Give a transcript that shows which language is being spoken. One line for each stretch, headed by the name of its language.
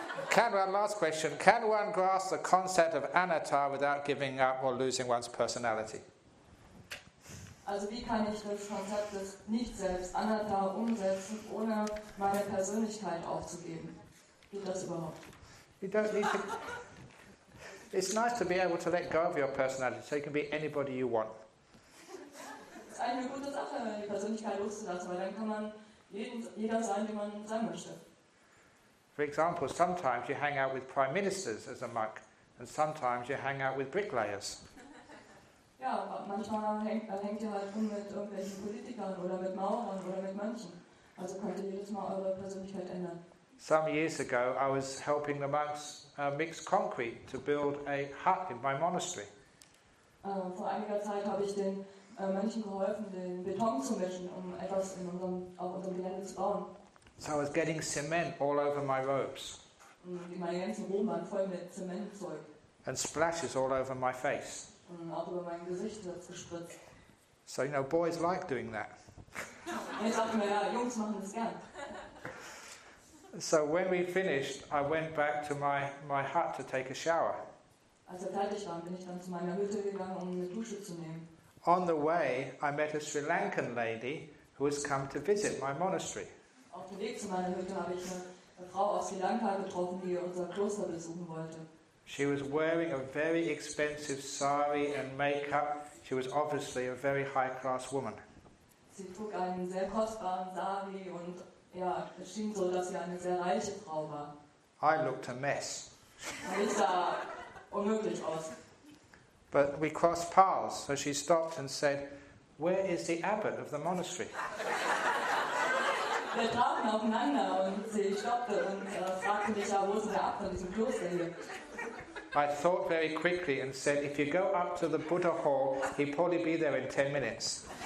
English: Can one, last question, can one grasp the concept of anatta without giving up or losing one's personality?
German: Also wie kann ich das Konzept des Nicht-Selbst, Anatta, umsetzen, ohne meine Persönlichkeit aufzugeben? Geht das überhaupt?
English: You don't need to... It's nice to be able to let go of your personality, so you can be anybody you want.
German: Es ist eigentlich eine gute Sache, die Persönlichkeit loszulassen, weil dann kann man jeder sein, wie man sein möchte.
English: For example, sometimes you hang out with prime ministers as a monk, and sometimes you hang out with bricklayers.
German: Ja, manchmal hängt ihr halt rum mit irgendwelchen Politikern oder mit Mauern oder mit Mönchen. Also könnt ihr jedes Mal eure Persönlichkeit ändern.
English: Some years ago, I was helping the monks mix concrete to build a hut in my monastery.
German: Vor einiger Zeit habe ich den Mönchen geholfen, den Beton zu mischen, um etwas in unserem, auf unserem Gelände zu bauen.
English: So I was getting cement all over my robes.
German: Und meine ganzen Roben waren voll mit Zementzeug.
English: And splashes all over my face.
German: Und auch über mein Gesicht hat es gespritzt.
English: So, you know, boys like doing that.
German: Ich dachte mir, ja, Jungs machen das gern.
English: So when we finished, I went back to my hut to take a shower.
German: Als er fertig war, bin ich dann zu meiner Hütte gegangen, um eine Dusche zu nehmen.
English: On the way, I met a Sri Lankan lady who has come to visit my monastery.
German: Auf dem Weg zu meiner Hütte habe ich eine Frau aus Sri Lanka getroffen, die unser Kloster besuchen wollte.
English: She was wearing a very expensive sari and makeup. She was obviously a very high class woman.
German: Sie trug einen sehr kostbaren Sari und ja, es schien so, dass sie eine sehr reiche Frau war.
English: I looked a mess.
German: Ich sah unmöglich aus.
English: But we crossed paths, so she stopped and said, "Where is the abbot of the monastery?"
German: Wir trafen aufeinander und sie stoppte und fragte mich, ja, wo ist der Abt von diesem Kloster hier?
English: I thought very quickly and said, "If you go up to the Buddha Hall, he'll probably be there in 10 minutes."